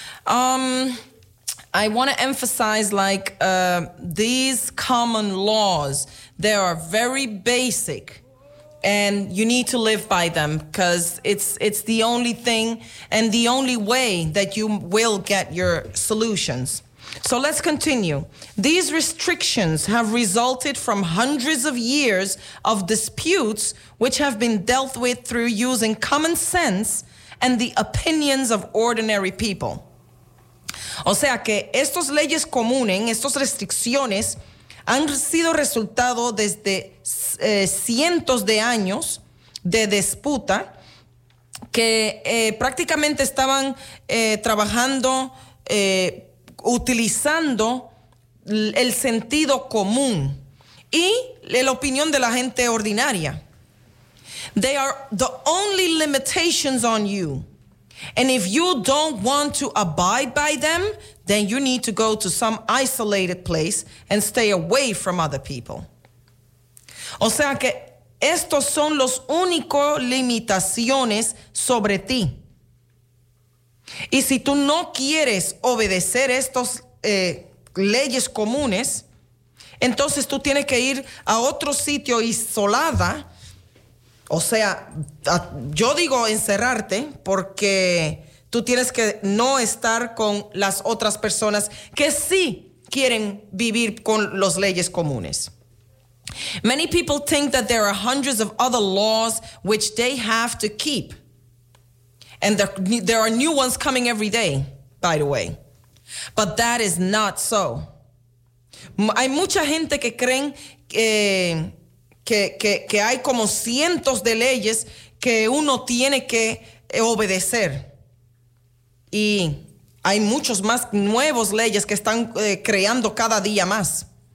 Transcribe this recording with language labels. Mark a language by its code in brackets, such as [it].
[en] I want to emphasize these common laws, they are very basic and you need to live by them because it's the only thing and the only way that you will get your solutions. So let's continue. These restrictions have resulted from hundreds of years of disputes which have been dealt with through using common sense and the opinions of ordinary people. [es] O sea que estas leyes comunes, estas restricciones, han sido resultado desde cientos de años de disputa que prácticamente estaban trabajando, utilizando el sentido común y la opinión de la gente ordinaria. [en] They are the only limitations on you. And if you don't want to abide by them, then you need to go to some isolated place and stay away from other people. [es] O sea que estos son los únicos limitaciones sobre ti. Y si tú no quieres obedecer estas leyes comunes, entonces tú tienes que ir a otro sitio isolada. O sea, yo digo encerrarte porque tú tienes que no estar con las otras personas que sí quieren vivir con las leyes comunes. [en] Many people think that there are hundreds of other laws which they have to keep. And there are new ones coming every day, by the way. But that is not so. [es] Hay mucha gente que creen que hay como cientos de leyes que uno tiene que obedecer. Y hay muchos más nuevos leyes que están creando cada día más.